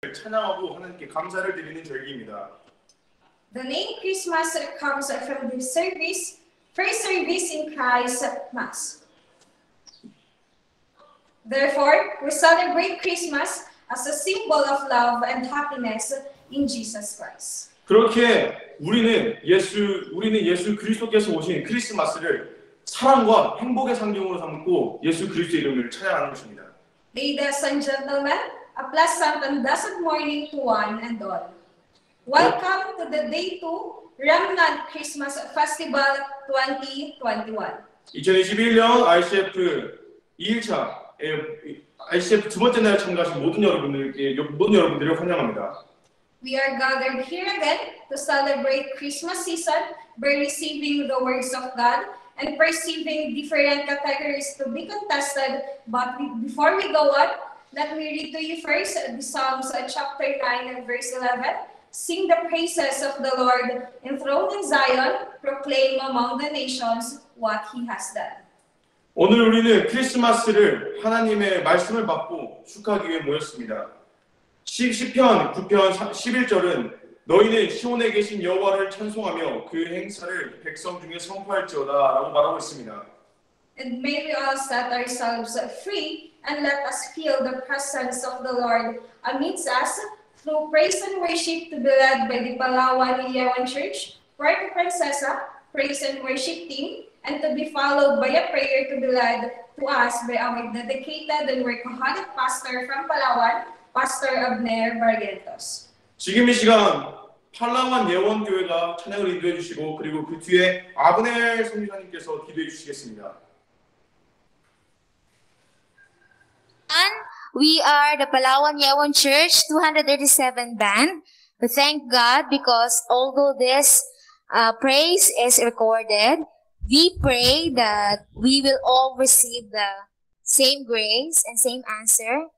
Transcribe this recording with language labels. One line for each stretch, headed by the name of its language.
Korean: 찬양하고 하나님께 감사를 드리는 절기입니다.
English: The name Christmas comes from the service, first service in Christ Mass. Therefore, we celebrate Christmas as a symbol of love and happiness in Jesus Christ.
Korean: 그렇게 우리는 예수 그리스도께서 오신 크리스마스를 사랑과 행복의 상징으로 삼고 예수 그리스도의 이름을 찬양하는 것입니다.
English: Ladies and gentlemen, a pleasant and blessed morning to one and all. Welcome to the day 2 Remnant Christmas Festival 2021.
Korean: 2021년 ICF 2일차 ICF 두 번째 날 참가하신 모든 여러분들을 환영합니다.
English: We are gathered here again to celebrate Christmas season by receiving the words of God and perceiving different categories to be contested. But before we go on, let me read to you first the Psalms chapter 9 and verse 11. Sing the praises of the Lord enthroned in Zion, proclaim among the nations what he has done.
Korean: 오늘 우리는 크리스마스를 하나님의 말씀을 받고 축하하기 위해 모였습니다. 시편 9편 11절은 너희는 시온에 계신 여호와를 찬송하며 그 행사를 백성 중에 선포할지어다 라고 말하고 있습니다.
English: And may we all set ourselves free and let us feel the presence of the Lord amidst us through praise and worship to be led by the Palawan Iliawan Church, Puerto Princesa, praise and worship team, and to be followed by a prayer to be led to us by our dedicated and recognized pastor from Palawan, Pastor Abner Barrientos.
Korean: 지금 이 시간 팔라완 예원교회가 찬양을 인도해 주시고 그리고 그 뒤에 아브넬 선교사님께서 기도해 주시겠습니다.
English: And we are the Palawan Yewon Church 237 band. We thank God because although this praise is recorded, we pray that we will all receive the same grace and same answer.